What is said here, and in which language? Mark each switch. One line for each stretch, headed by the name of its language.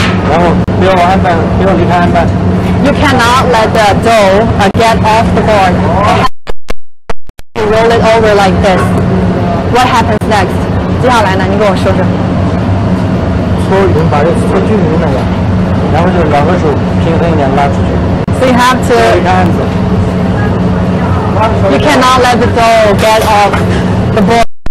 Chinese: 然后不要按板，不要离开案板。
English: You cannot let the dough get off the board. You roll it over like this. What happens next?
Chinese: 接下来呢，您跟我说说。搓匀，把这搓均匀那个，然后就两个手平衡一点拉出去。
English: So you have to.
Chinese: 一个案子。
English: You cannot let the dough get off the board.